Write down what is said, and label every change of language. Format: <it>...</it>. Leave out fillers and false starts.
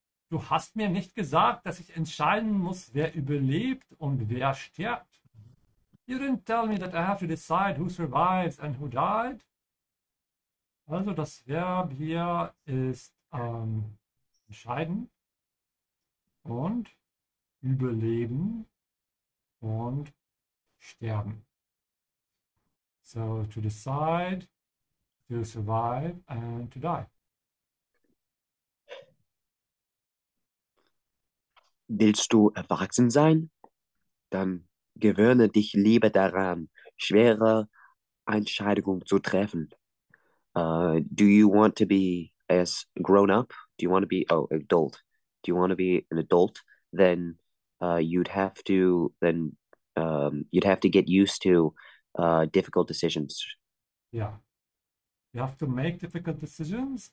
<de>Du hast mir nicht gesagt, dass ich entscheiden muss, wer überlebt und wer stirbt.</de> <en>You didn't tell me that I have to decide who survives and who died.</en> <de>Also das Verb hier ist entscheiden und überleben und sterben.</de> <en>So to decide to survive and to die.</en> <de>Willst du erwachsen sein? Dann gewöhne dich lieber daran, schwere Entscheidungen zu treffen.</de> <en>Do you want to be as grown up? Do you want to be adult? Do you want to be an adult? Then you'd have to get used to difficult decisions. Yeah, you have to make difficult decisions.</en>